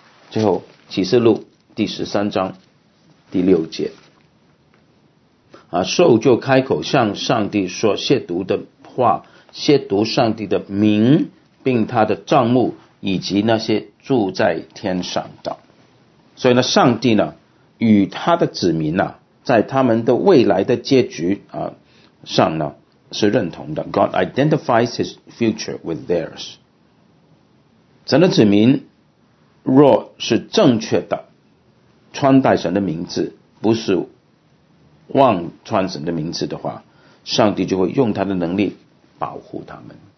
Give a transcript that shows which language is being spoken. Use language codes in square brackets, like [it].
[zh] 最后启示录第13章第6节啊，兽就开口向上帝说亵渎的话，亵渎上帝的名并他的帐幕以及那些住在天上的。所以呢，上帝呢与他的子民呢，在他们的未来的结局啊上呢是认同的。 [en] God identifies his future with theirs。 [zh] 神的子民若是正确的穿戴神的名字，不是妄穿神的名字的话，上帝就会用他的能力保护他们。